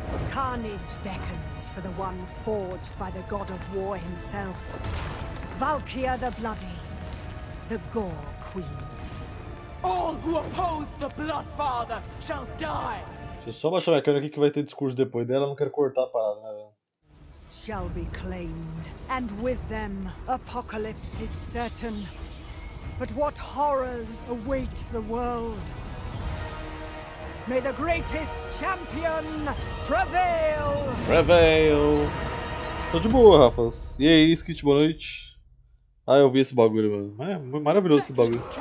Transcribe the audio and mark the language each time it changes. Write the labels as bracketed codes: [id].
[en] Carnage beckons for the one forged by the god of war himself, Valkyria the Bloody, the Gore Queen. All who oppose the Bloodfather shall die. [pt] Deixa eu só baixar minha câmera aqui que vai ter discurso depois dela, não quero cortar a parada, né? [en] Shall be claimed, and with them apocalypse is certain. But what horrors await the world? May the greatest champion prevail! [pt] Prevail! Tô de boa, Rafas. E aí, Skit, boa noite. Ah, eu vi esse bagulho, mano. É maravilhoso esse bagulho.